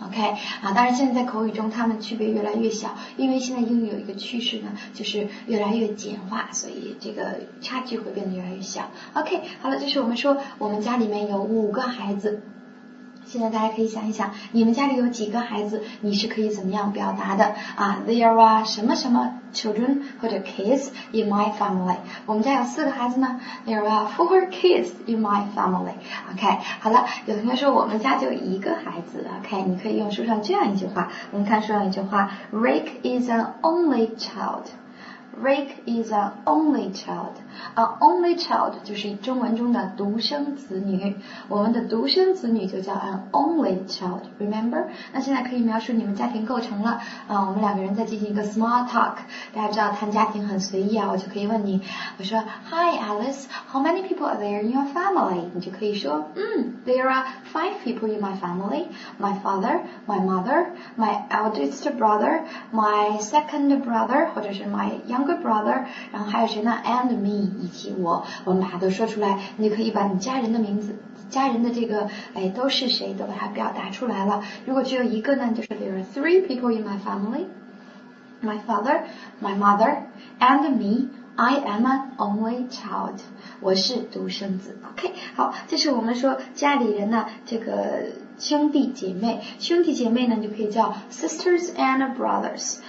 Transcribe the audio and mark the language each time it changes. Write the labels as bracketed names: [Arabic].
[Chinese] OK， 啊，当然现在在口语中它们区别越来越小，因为现在英语有一个趋势呢，就是越来越简化，所以这个差距会变得越来越小。 OK， 好了，就是我们说我们家里面有五个孩子。现在大家可以想一想，你们家里有几个孩子，你是可以怎么样表达的啊 ？There are 什么什么 children 或者 kids in my family。我们家有四个孩子呢 ， [English] There are 4 kids in my family。 [Chinese] OK， 好了，有同学说我们家就一个孩子 ，OK， 你可以用书上这样一句话，我们看书上一句话 ， [English] Rick is an only child。 Rick is an only child. An only child [Chinese] 就是中文中的独生子女。我们的独生子女就叫 an only child. [English] Remember? [Chinese] 那现在可以描述你们家庭构成了。我们两个人在进行一个 small talk. 大家知道谈家庭很随意啊，我就可以问你，我说 [English] Hi Alice, how many people are there in your family? [Chinese] 你就可以说， [English] There are 5 people in my family. My father, my mother, my eldest brother, my second brother, 或者是 my younger brother， [Chinese] 然后还有谁呢 ？ [English] And me， [Chinese] 以及我，我们把它都说出来，你就可以把你家人的名字、家人的这个，哎，都是谁，都把它表达出来了。如果只有一个呢，就是 [English] There are 3 people in my family， my father， my mother， and me。 I am an only child， [Chinese] 我是独生子。 OK， 好，这是我们说家里人呢，这个兄弟姐妹，兄弟姐妹呢就可以叫 [English] sisters and brothers。